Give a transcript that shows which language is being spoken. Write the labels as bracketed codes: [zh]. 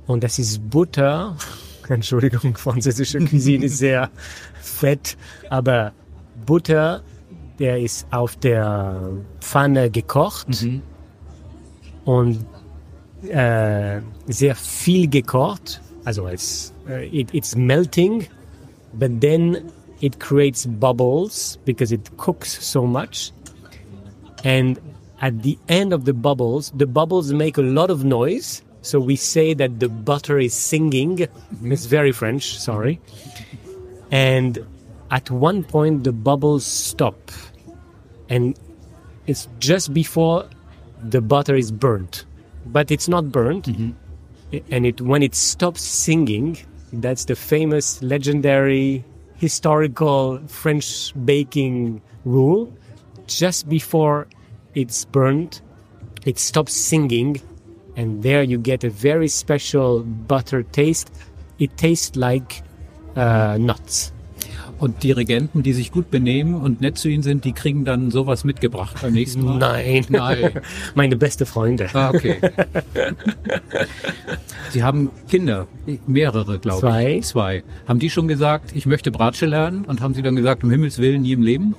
[de] Und das ist Butter. Entschuldigung, französische Cuisine ist sehr fett, aber Butter, der ist auf der Pfanne gekocht, mhm, und sehr viel gekocht. [en] Also it's melting, but then it creates bubbles because it cooks so much. And at the end of the bubbles make a lot of noise. So we say that the butter is singing. Mm-hmm. It's very French, sorry. And at one point, the bubbles stop. And it's just before the butter is burnt. But it's not burnt. Mm-hmm. And when it stops singing, that's the famous, legendary, historical French baking rule. Just before it's burnt, it stops singing. And there you get a very special butter taste. It tastes like nuts. [de] Und Dirigenten, die sich gut benehmen und nett zu Ihnen sind, die kriegen dann sowas mitgebracht beim nächsten Mal? Nein. Nein. Meine beste Freunde. Ah, okay. Sie haben Kinder, mehrere, glaube zwei. Ich. Zwei. Haben die schon gesagt, ich möchte Bratsche lernen? Und haben Sie dann gesagt, um Himmels Willen, nie im Leben?